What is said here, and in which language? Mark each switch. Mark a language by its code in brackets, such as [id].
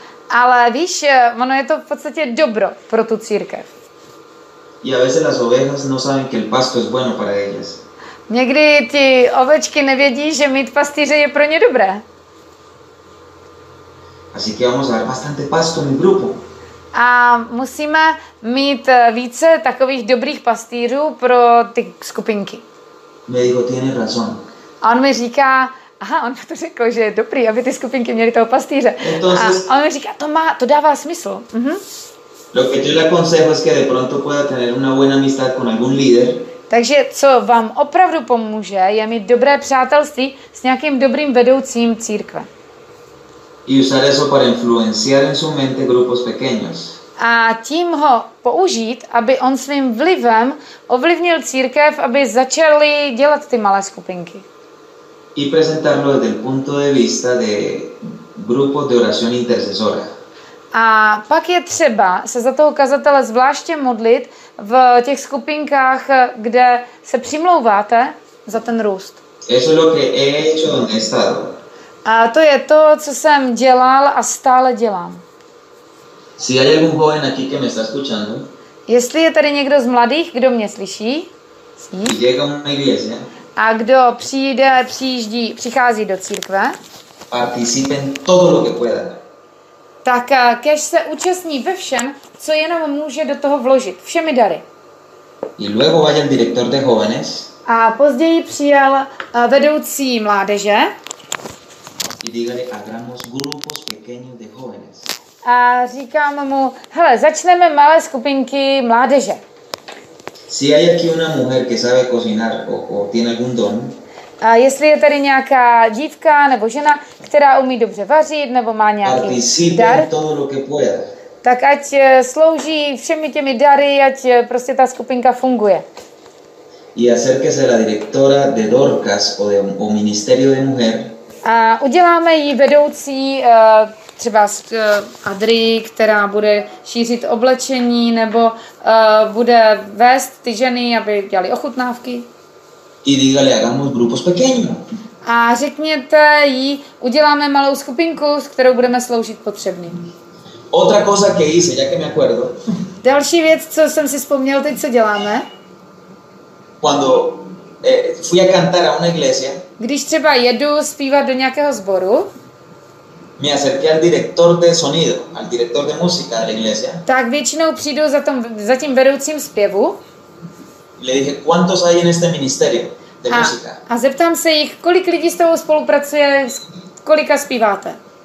[cs] Ale víš, ono je to v podstatě dobro pro tu církev. [es] Y a veces las ovejas no saben que el pasto es bueno para ellas. [cs] Někdy ty ovečky nevědí, že mít pastýře je pro ně dobré. [es] Así que vamos a dar bastante pasto en mi grupo. [cs] A musíme mít více takových dobrých pastýřů pro ty skupinky. [es] Me dijo, tiene razón. [cs] A on mi říká, aha, on to řekl, že je dobrý, aby ty skupinky měly toho pastýře. [es] Entonces, [cs] a on mi říká, to dává smysl. Uh-huh. [es] Lo que yo le aconsejo es que de pronto pueda tener una buena amistad con algún líder. [cs] Takže co vám opravdu pomůže, je mít dobré přátelství s nějakým dobrým vedoucím církve. [es] Y usar eso para influenciar en su mente grupos pequeños. [cs] a tím ho použít, aby on svým vlivem ovlivnil církev, aby začali dělat ty malé skupinky. [es] Y presentarlo desde el punto de vista de grupos de oración intercesora. [cs] A pak je třeba se za toho kazatele zvláště modlit v těch skupinkách, kde se přimlouváte za ten růst. [es] Eso es lo que he hecho donde he estado. [cs] A to je to, co jsem dělal a stále dělám. [es] Si hay algún joven aquí que me está escuchando, [cs] jestli je tady někdo z mladých, kdo mě slyší, [es] llega a una iglesia, [cs] a kdo přijde, přichází do církve, [es] participen todo lo que pueda. [cs] Tak kéž se účastní ve všem, co jenom může do toho vložit, všemi dary. [es] Y luego vaya el director de jóvenes, [cs] a později přijel vedoucí mládeže. [es] Y dígale, hagamos grupos pequeños de jóvenes. [cs] A říkám mu, hele, začneme malé skupinky mládeže. [es] Si hay aquí una mujer que sabe cocinar o tiene algún don. [cs] A jestli je tady nějaká dívka nebo žena, která umí dobře vařit nebo má nějaký dar, [es] todo lo que pueda. [cs] Tak ať slouží všemi těmi dary, ať prostě ta skupinka funguje. [es] Y acérquese a la directora de Dorcas o Ministerio de Mujer. [cs] A uděláme jí vedoucí třeba Adri, která bude šířit oblečení nebo bude vést ty ženy, aby dělali ochutnávky. [es] Y dígale, hagamos grupos pequeños. [cs] A řekněte jí, uděláme malou skupinku, s kterou budeme sloužit potřebným. [es] Otra cosa que hice, ya que me acuerdo. [cs] Další věc, co jsem si vzpomněl, teď co děláme. [es] Cuando fui a cantar a una iglesia. [cs] Když třeba jedu zpívat do nějakého sboru, [es] me acerqué al director de sonido, al director de música de la iglesia. [cs] Tak většinou přijdu za tím vedoucím zpěvu. [es] Le dije, ¿cuántos hay en este ministerio de música? [cs] A zeptám se jich, kolik lidí s tebou spolupracuje, kolika zpíváte?